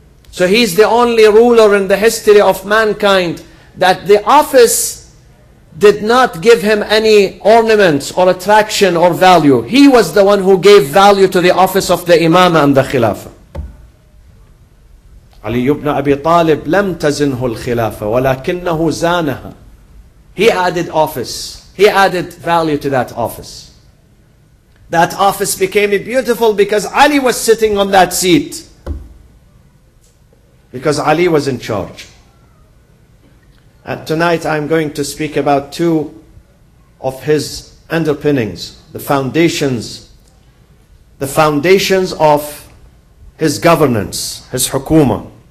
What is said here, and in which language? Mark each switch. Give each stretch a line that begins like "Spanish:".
English: So he's the only ruler in the history of mankind that the office did not give him any ornaments or attraction or value. He was the one who gave value to the office of the Imam and the Khilafah.
Arabic: Ali ibn Abi Talib لم تزنه الخلافة ولكنه زانها.
English: He added office. He added value to that office. That office became beautiful because Ali was sitting on that seat. Because Ali was in charge. And tonight I'm going to speak about two of his underpinnings, the foundations of his governance, his hukuma.